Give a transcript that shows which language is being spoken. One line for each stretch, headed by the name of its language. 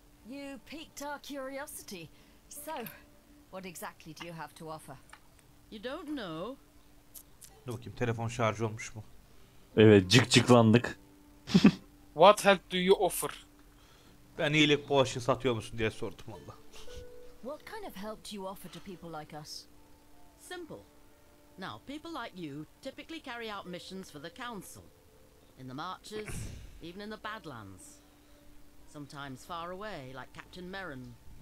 English: You piqued our curiosity. So, what exactly do you have to offer? You don't know.
Turkish: Dur bakayım, telefon şarjı olmuş mu? Evet, cık cıklandık.
English: What help do you offer?
Turkish: Ben iyilik boğaşı satıyor musun diye sordum valla.
English: What kind of help do you offer to people like us? Simple. Now, people like you typically carry out missions for the council. In the marches. Even in the Badlands. Sometimes far away, like Captain Merrin.